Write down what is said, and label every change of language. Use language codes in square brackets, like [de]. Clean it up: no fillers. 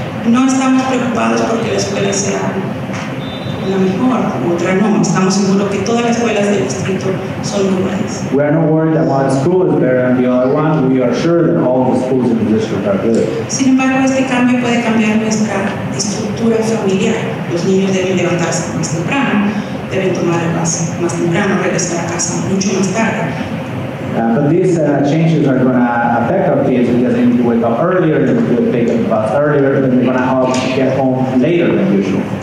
[es] No estamos preocupados porque la escuela sea la mejor, otra no. Estamos seguros que todas las escuelas del distrito son buenas. [en] We are not worried about the school is better than the other one. We are sure that all the schools in the district are good. [es] Sin embargo, este cambio puede cambiar nuestra estructura familiar. Los niños deben levantarse más temprano, deben tomar el bus más temprano, regresar a casa mucho más tarde. [en] But these changes are going to affect our kids because they need to wake up earlier, they need to pick up the bus earlier, then they're going to have to get home later than usual.